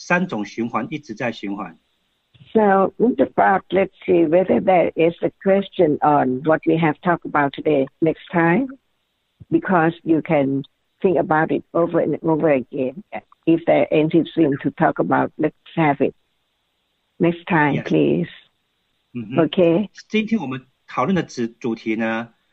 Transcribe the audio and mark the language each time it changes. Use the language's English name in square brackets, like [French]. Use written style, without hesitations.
[Chinese] 所以又贪爱执着造业，这个三种循环一直在循环。So [English] what about, let's see whether there is a question on what we have talked about today next time, because you can think about it over and over again. If there anything to talk about, let's have it next time, yeah. please. Mm-hmm. Okay. [Chinese] 今天我们讨论的主题呢？